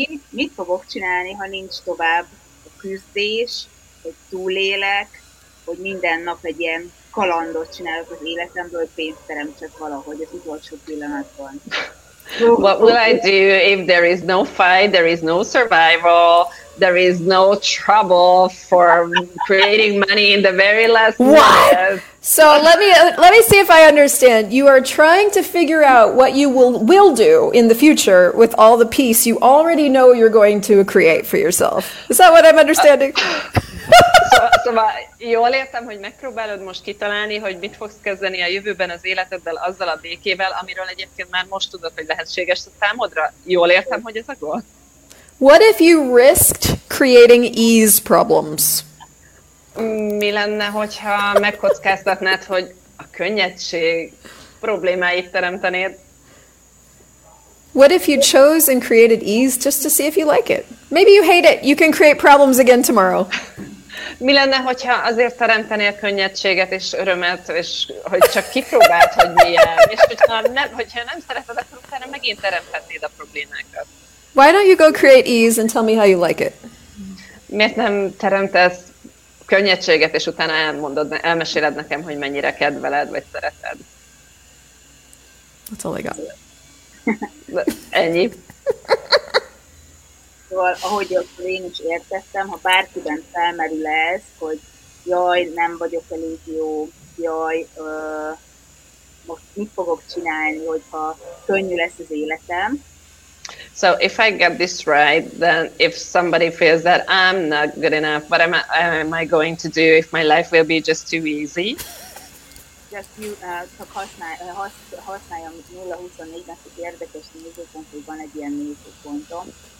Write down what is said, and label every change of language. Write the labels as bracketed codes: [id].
[hu] Mit fogok csinálni, ha nincs tovább a küzdés, hogy túlélek, hogy minden nap egy ilyen kalandot csinálok az életemből, hogy pénzt teremtsek valahogy az utolsó pillanatban? [en] What will I do if there is no fight, there is no survival, there is no trouble for creating money in the very last What? Minute? So let me see if I understand. You are trying to figure out what you will do in the future with all the peace you already know you're going to create for yourself. Is that what I'm understanding? [hu] Szóval jól értem, hogy megpróbálod most kitalálni, hogy mit fogsz kezdeni a jövőben az életeddel azzal a békével, amiről egyébként már most tudod, hogy lehetséges a számodra. Jól értem, hogy ez a gól? [en] What if you risked creating ease problems? [hu] Mi lenne, hogyha megkockáztatnád, hogy a könnyedség problémáit teremtenéd? [en] What if you chose and created ease just to see if you like it? Maybe you hate it. You can create problems again tomorrow. [hu] Mi lenne, hogyha azért teremtenél könnyedséget és örömet, és hogy csak kipróbáld, hogy milyen, és hogyha nem szereted, akkor utána megint teremthetnéd a problémákat. [en] Why don't you go create ease and tell me how you like it? [hu] Miért nem teremtesz könnyedséget, és utána elmeséled nekem, hogy mennyire kedveled, vagy szereted? [en] That's all I got. [hu] Ennyi. Szóval, ahogy én is értettem, ha bárkiben felmerül ez, hogy jaj, nem vagyok elég jó, jaj, most mit fogok csinálni, hogyha könnyű lesz az életem. [en] So if I get this right, then if somebody feels that I'm not good enough, what am I going to do if my life will be just too easy? Just you, [hu] csak használjam 0-24-nek az érdekes nézőpont, hogy van egy ilyen nézőpontom.